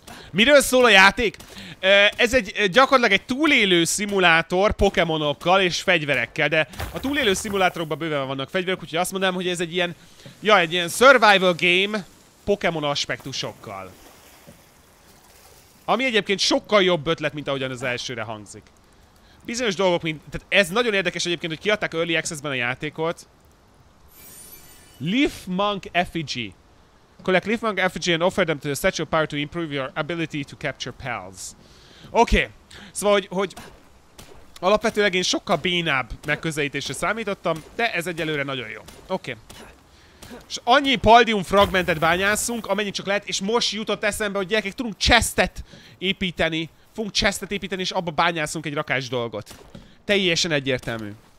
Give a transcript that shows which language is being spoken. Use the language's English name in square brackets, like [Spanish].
[Hungarian] Miről szól a játék? Ez egy gyakorlatilag egy túlélő szimulátor Pokémonokkal és fegyverekkel, de a túlélő szimulátorokban bőven vannak fegyverek, úgyhogy azt mondanám, hogy ez egy ilyen, ja, egy ilyen survival game Pokémon aspektusokkal. Ami egyébként sokkal jobb ötlet, mint ahogyan az elsőre hangzik. Bizonyos dolgok, mint... Tehát ez nagyon érdekes egyébként, hogy kiadták Early Access-ben a játékot. [English] Leaf Monk Effigy. Collect Leaf Monk Effigy and offer them to the Statue of Power to improve your ability to capture pals. [Hungarian] Oké. Okay. Szóval, hogy... Alapvetőleg én sokkal bénább megközelítésre számítottam, de ez egyelőre nagyon jó. Oké. Okay. És annyi paldium fragmentet bányászunk, amennyit csak lehet, és most jutott eszembe, hogy gyerekek, tudunk chestet építeni. Fogunk chestet építeni, és abba bányászunk egy rakás dolgot. Teljesen egyértelmű.